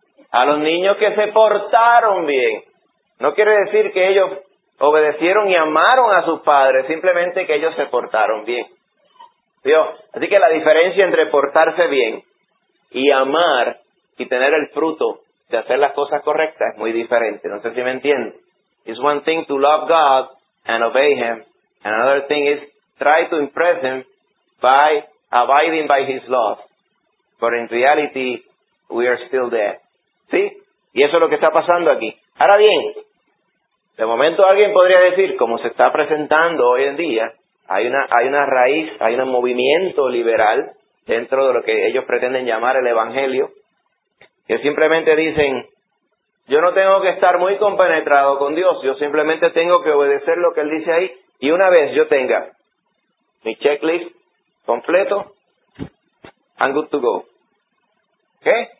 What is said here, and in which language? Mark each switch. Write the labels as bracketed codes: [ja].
[es] A los niños que se portaron bien. No quiere decir que ellos obedecieron y amaron a sus padres, simplemente que ellos se portaron bien. Dios, así que la diferencia entre portarse bien y amar y tener el fruto de hacer las cosas correctas es muy diferente. No sé si me entiende. [en] It's one thing to love God and obey Him. Another thing is try to impress Him by abiding by His laws. But in reality, we are still there. [es] ¿Sí? Y eso es lo que está pasando aquí. Ahora bien, de momento alguien podría decir, como se está presentando hoy en día, hay una raíz, hay un movimiento liberal dentro de lo que ellos pretenden llamar el Evangelio, que simplemente dicen, yo no tengo que estar muy compenetrado con Dios, yo simplemente tengo que obedecer lo que Él dice ahí, y una vez yo tenga mi checklist completo, [en] I'm good to go. [es] ¿Qué?